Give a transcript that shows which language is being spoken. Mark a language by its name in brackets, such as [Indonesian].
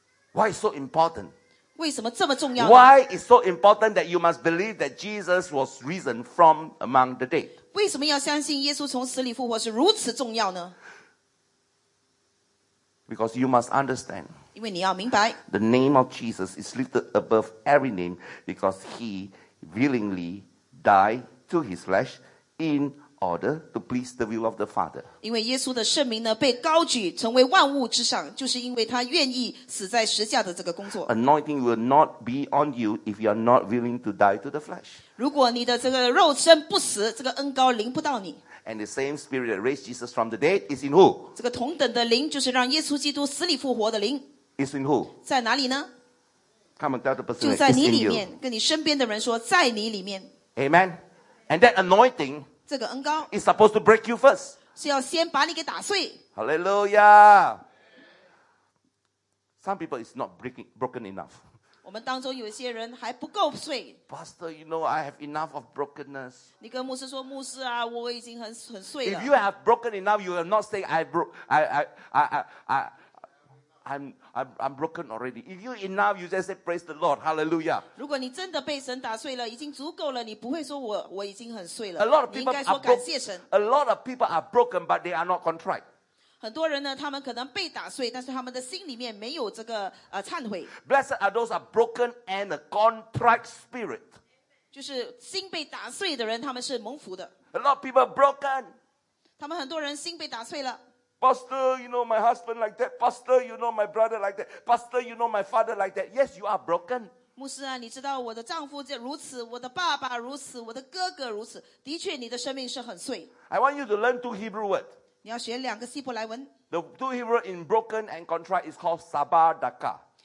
[English] Why so important? [Chinese] 为什么这么重要呢 [English] ？Why is so important that you must believe that Jesus was risen from among the dead? [Chinese] 为什么要相信耶稣从死里复活是如此重要呢 [English] ？Because you must understand. [Chinese] 因为你要明白。 [English] The name of Jesus is lifted above every name because He willingly died to His flesh in order to please the will of the Father. [Chinese] 因为耶稣的圣名呢被高举成为万物之上，就是因为他愿意死在十字架的这个工作。 [English] Anointing will not be on you if you are not willing to die to the flesh. [Chinese] 如果你的这个肉身不死，这个恩膏临不到你。 [English] And the same spirit that raised Jesus from the dead is in who? [Chinese] 这个同等的灵就是让耶稣基督死里复活的灵。 [English] Is in who? [Chinese] 在哪里呢 [English] ？Come on, tell the person. [Chinese] 就在你里面，跟你身边的人说，在你里面。 [English] Amen. And that anointing, [Chinese] 这个恩膏 [English] is supposed to break you first. [Chinese] 是要先把你给打碎。 [English] Hallelujah. Some people is not breaking broken enough. [Chinese] 我们当中有一些人还不够碎。 [English] Pastor, you know, I have enough of brokenness. [Chinese] 你跟牧师说，牧师啊，我已经很碎了。 [English] If you have broken enough, you will not say, I'm broken already. If you enough, you just say, praise the Lord, hallelujah. [Chinese] 如果你真的被神打碎了，已经足够了，你不会说我已经很碎了。 [English] A lot of people are broken. A lot of people are broken, but they are not contrite. [Chinese] 很多人呢，他们可能被打碎，但是他们的心里面没有这个忏悔。 [English] Blessed are those are broken and a contrite spirit. [Chinese] 就是心被打碎的人，他们是蒙福的。 [English] A lot of people broken. [Chinese] 他们很多人心被打碎了。 [English] Pastor, you know my husband like that. Pastor, you know my brother like that. Pastor, you know my father like that. Yes, you are broken. [Chinese] 牧师啊，你知道我的丈夫如此，我的爸爸如此，我的哥哥如此。的确，你的生命是很碎。 [English] I want you to learn two Hebrew words. [Chinese] 你要学两个希伯来文。 [English] The two Hebrew in broken and contrite is called sabadaka.